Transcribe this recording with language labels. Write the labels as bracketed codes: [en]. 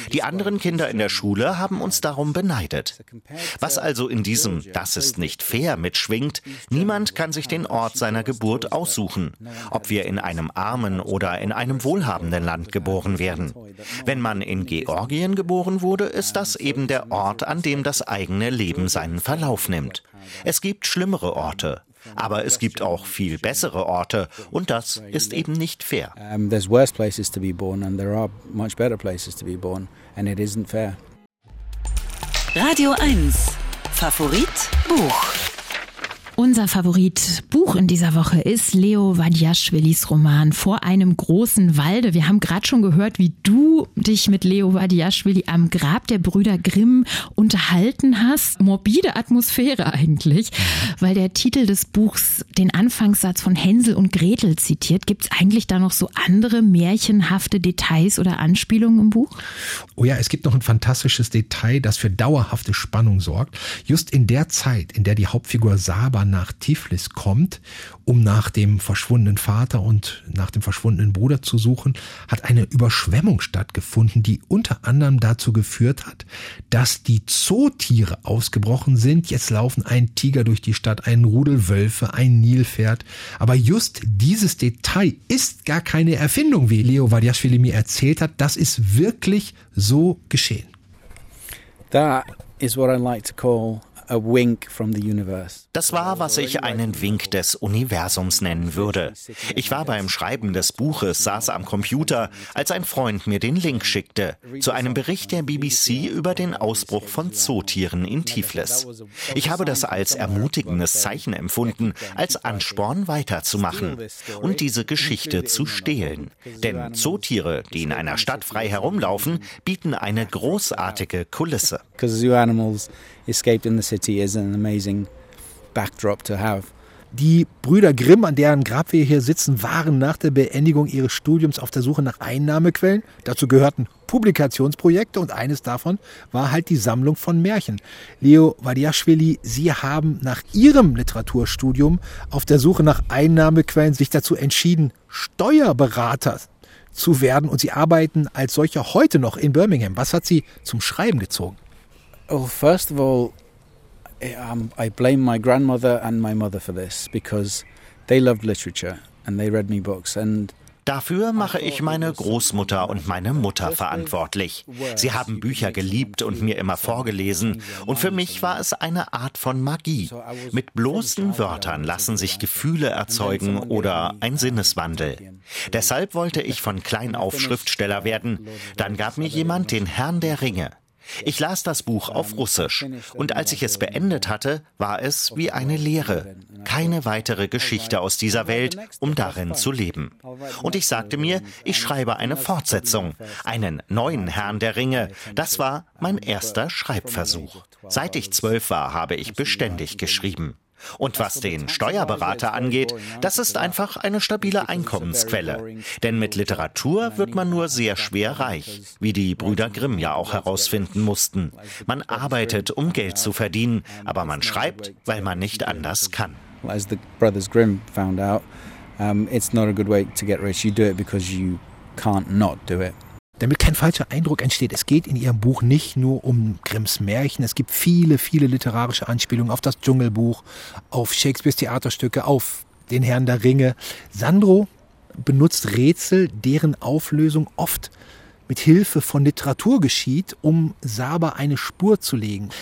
[de] Die anderen Kinder in der Schule haben uns darum beneidet. Was also in diesem »Das ist nicht fair« mitschwingt, niemand kann sich den Ort seiner Geburt aussuchen, ob wir in einem armen oder in einem wohlhabenden Land geboren werden. Wenn man in Georgien geboren wurde, ist das eben der Ort, an dem das eigene Leben seinen Verlauf nimmt. Es gibt schlimmere Orte, aber es gibt auch viel bessere Orte und das ist eben nicht fair. [en] There's worse places to be born and there are much better places to be born and it isn't fair. [de] Radio 1 Favorit Buch. Unser Favorit Buch in dieser Woche ist Leo Vadiashvilis Roman Vor einem großen Walde. Wir haben gerade schon gehört, wie du dich mit Leo Vadiashvili am Grab der Brüder Grimm unterhalten hast. Morbide Atmosphäre eigentlich, weil der Titel des Buchs den Anfangssatz von Hänsel und Gretel zitiert. Gibt es eigentlich da noch so andere märchenhafte Details oder Anspielungen im Buch? Oh ja, es gibt noch ein fantastisches Detail, das für dauerhafte Spannung sorgt. Just in der Zeit, in der die Hauptfigur Saba nach Tiflis kommt, um nach dem verschwundenen Vater und nach dem verschwundenen Bruder zu suchen, hat eine Überschwemmung stattgefunden, die unter anderem dazu geführt hat, dass die Zootiere ausgebrochen sind. Jetzt laufen ein Tiger durch die Stadt, ein Rudel Wölfe, ein Nilpferd. Aber just dieses Detail ist gar keine Erfindung, wie Leo Vadiashvili mir erzählt hat. Das ist wirklich so geschehen. [en] That is what I like to call a wink from the universe. [de] Das war, was ich einen Wink des Universums nennen würde. Ich war beim Schreiben des Buches, saß am Computer, als ein Freund mir den Link schickte, zu einem Bericht der BBC über den Ausbruch von Zootieren in Tiflis. Ich habe das als ermutigendes Zeichen empfunden, als Ansporn weiterzumachen und diese Geschichte zu stehlen. Denn Zootiere, die in einer Stadt frei herumlaufen, bieten eine großartige Kulisse. [en] Because zoo animals escaped in the city is an amazing backdrop to have. [de] Die Brüder Grimm, an deren Grab wir hier sitzen, waren nach der Beendigung ihres Studiums auf der Suche nach Einnahmequellen. Dazu gehörten Publikationsprojekte und eines davon war halt die Sammlung von Märchen. Leo Vadiashvili, Sie haben nach Ihrem Literaturstudium auf der Suche nach Einnahmequellen sich dazu entschieden, Steuerberater zu werden und Sie arbeiten als solcher heute noch in Birmingham. Was hat Sie zum Schreiben gezogen? [en] Well, first of all, I blame my grandmother and my mother for this because they loved literature and they read me books and [de] dafür mache ich meine Großmutter und meine Mutter verantwortlich. Sie haben Bücher geliebt und mir immer vorgelesen. Und für mich war es eine Art von Magie. Mit bloßen Wörtern lassen sich Gefühle erzeugen oder ein Sinneswandel. Deshalb wollte ich von klein auf Schriftsteller werden. Dann gab mir jemand den Herrn der Ringe. Ich las das Buch auf Russisch und als ich es beendet hatte, war es wie eine Leere. Keine weitere Geschichte aus dieser Welt, um darin zu leben. Und ich sagte mir, ich schreibe eine Fortsetzung, einen neuen Herrn der Ringe. Das war mein erster Schreibversuch. Seit ich 12 war, habe ich beständig geschrieben. Und was den Steuerberater angeht, das ist einfach eine stabile Einkommensquelle. Denn mit Literatur wird man nur sehr schwer reich, wie die Brüder Grimm ja auch herausfinden mussten. Man arbeitet, um Geld zu verdienen, aber man schreibt, weil man nicht anders kann. [en] As the Brothers Grimm found out, it's not a good way to get rich. You do it because you can't not do it. [de] Damit kein falscher Eindruck entsteht, es geht in ihrem Buch nicht nur um Grimms Märchen. Es gibt viele, viele literarische Anspielungen auf das Dschungelbuch, auf Shakespeares Theaterstücke, auf den Herrn der Ringe. Sandro benutzt Rätsel, deren Auflösung oft mit Hilfe von Literatur geschieht, um Saba eine Spur zu legen.